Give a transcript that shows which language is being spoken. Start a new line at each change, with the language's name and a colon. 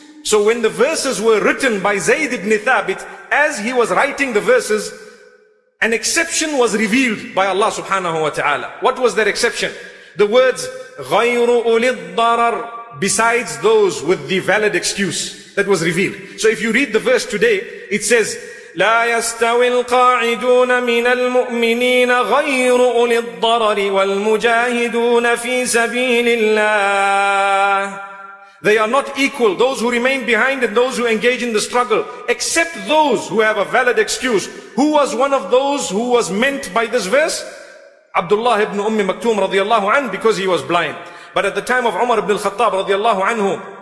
English: So when the verses were written by Zayd ibn Thabit, as he was writing the verses, an exception was revealed by Allah subhanahu wa ta'ala. What was that exception? The words,
Arabic: غَيْرُ أُولِي الضَّرَرِ,
English: besides those with the valid excuse, that was revealed. So if you read the verse today, it says,
Arabic: لا يستوي القاعدون من المؤمنين غير أولي الضرر والمجاهدون في سبيل الله.
English: They are not equal, those who remain behind and those who engage in the struggle, except those who have a valid excuse. Who was one of those who was meant by this verse? Abdullah ibn Ummi Maktum radiyallahu anhu, because he was blind. But at the time of Umar ibn al-Khattab radiyallahu anhu,